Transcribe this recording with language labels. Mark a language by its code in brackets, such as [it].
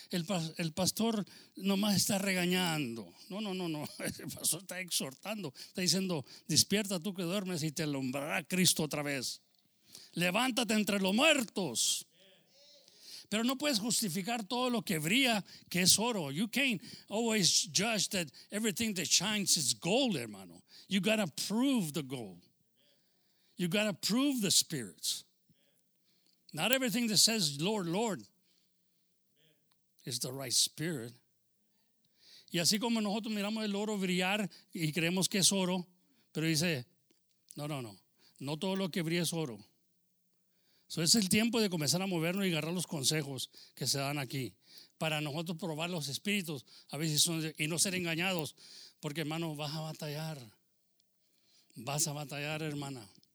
[es] El pastor nomás está regañando. No. El pastor está exhortando. Está diciendo, despierta tú que duermes y te alumbrará Cristo otra vez. Levántate entre los muertos. Pero no puedes justificar todo lo que brilla, que es oro. [en] You can't always judge that everything that shines is gold, hermano. You got to prove the goal. You got to prove the spirits. Not everything that says, Lord, Lord, is the right spirit. [es] Y así como nosotros miramos el oro brillar y creemos que es oro, pero dice, no, no, no. No todo lo que brilla es oro. So es el tiempo de comenzar a movernos y agarrar los consejos que se dan aquí para nosotros probar los espíritus a ver si son y no ser engañados, porque hermano, vas a batallar, hermana.